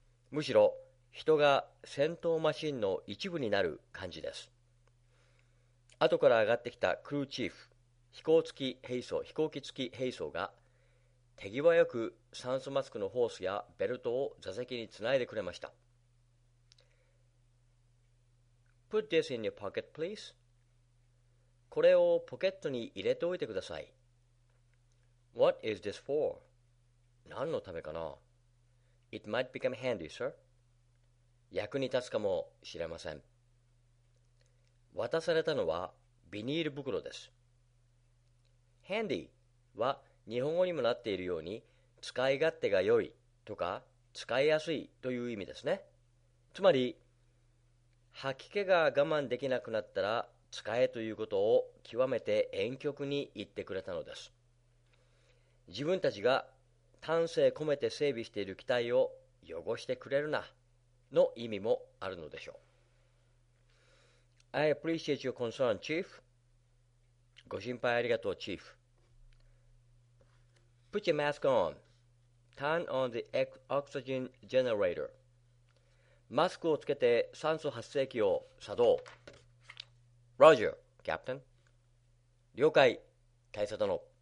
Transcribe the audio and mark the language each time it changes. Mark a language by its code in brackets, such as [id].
[ja] むしろ人が戦闘マシンの一部になる感じです。後から上がってきたクルーチーフ、飛行機付き兵装が手際よく酸素マスクのホースやベルトを座席につないでくれました。 [en] Put this in your pocket, please. [ja] これをポケットに入れておいてください。 [en] What is this for? [ja] 何のためかな [en] ?It might become handy, sir. [ja] 役に立つかもしれません。渡されたのはビニール袋です。 Handy は日本語にもなっているように使い勝手が良いとか使いやすいという意味ですね。つまり吐き気が我慢できなくなったら使えということを極めて婉曲に言ってくれたのです。自分たちが丹精込めて整備している機体を汚してくれるなの意味もあるのでしょう。 [en] I appreciate your concern, Chief. [ja] ご心配ありがとう、チーフ。 [en] Put your mask on. Turn on the oxygen generator. [ja] マスクをつけて酸素発生器を作動。 [en] Roger, Captain. [ja] 了解、大佐殿。